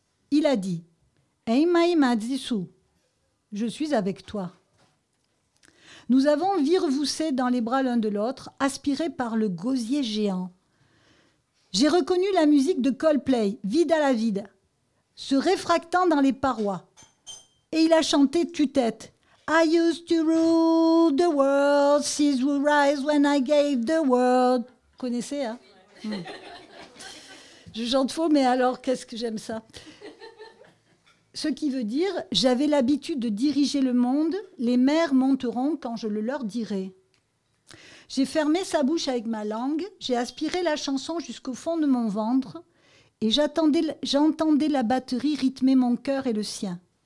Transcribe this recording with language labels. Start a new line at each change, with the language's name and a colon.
French: Il a dit, Eimai Madzisu, je suis avec toi. Nous avons virevoussé dans les bras l'un de l'autre, aspirés par le gosier géant. J'ai reconnu la musique de Coldplay, vide à la vide, se réfractant dans les parois. Et il a chanté tue-tête.
English: I used to rule the world, seas would rise when I gave the world.
French: Connaissez, hein? Je chante faux, mais alors qu'est-ce que j'aime ça. Ce qui veut dire, j'avais l'habitude de diriger le monde, les mers monteront quand je le leur dirai. J'ai fermé sa bouche avec ma langue, j'ai aspiré la chanson jusqu'au fond de mon ventre et j'entendais la batterie rythmer mon cœur et le sien.